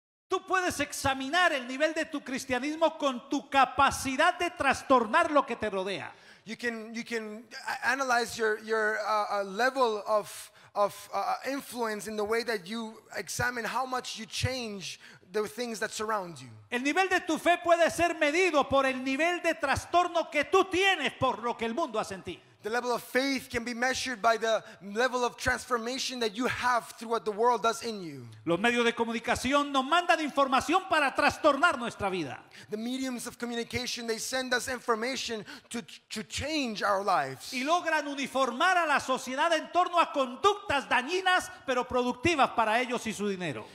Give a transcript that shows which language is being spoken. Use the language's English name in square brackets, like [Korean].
[Spanish] Tú puedes examinar el nivel de tu cristianismo con tu capacidad de trastornar lo que te rodea. [English] You can analyze your level of influence in the way that you examine how much you change the things that surround you. [Spanish] El nivel de tu fe puede ser medido por el nivel de trastorno que tú tienes por lo que el mundo hace en ti. [English] The level of faith can be measured by the level of transformation that you have through what the world does in you. [Spanish] Los medios de comunicación nos mandan información para trastornar nuestra vida. [English] The mediums of communication, they send us information to change our lives. [Spanish] Y logran uniformar a la sociedad en torno a conductas dañinas pero productivas para ellos y su dinero.